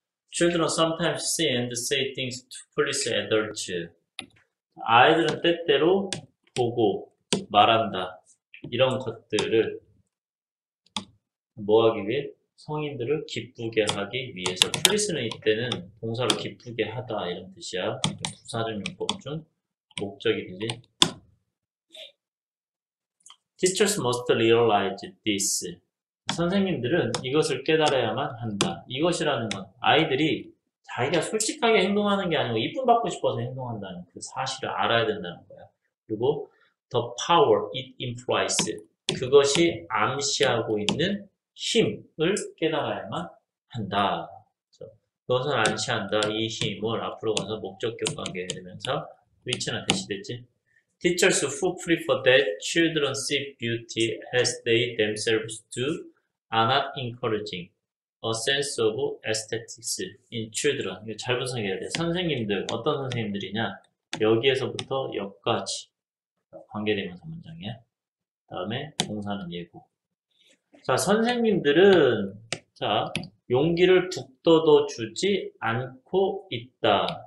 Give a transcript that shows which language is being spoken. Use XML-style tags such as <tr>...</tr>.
<en>Children sometimes see and say things to please adults.</en> <ko>아이들은 때때로 보고 말한다. 이런 것들을 뭐 하기 위해? 성인들을 기쁘게 하기 위해서. Please는 이때는 동사로 기쁘게 하다. 이런 뜻이야. 부사적용법 중 목적이든지.</ko> <en>Teachers must realize this.</en> <ko>선생님들은 이것을 깨달아야만 한다. 이것이라는 건 아이들이 자기가 솔직하게 행동하는 게 아니고 이쁨 받고 싶어서 행동한다는 그 사실을 알아야 된다는 거야. 그리고</ko> <en>the power it implies.</en> <ko>그것이 암시하고 있는 힘을 깨달아야만 한다. 그래서 그것은 암시한다. 이 힘을 앞으로 가서 목적격 관계가 되면서 위치나 대시 됐지.</ko> <en>Teachers who prefer that children see beauty as they themselves do are not encouraging a sense of aesthetics in children.</en> <ko>이거 잘 분석해야 돼. 선생님들, 어떤 선생님들이냐. 여기에서부터 여기까지 관계되면서 문장이야. 다음에 동사는 예고. 자, 선생님들은 자 용기를 북돋워 주지 않고 있다.</ko>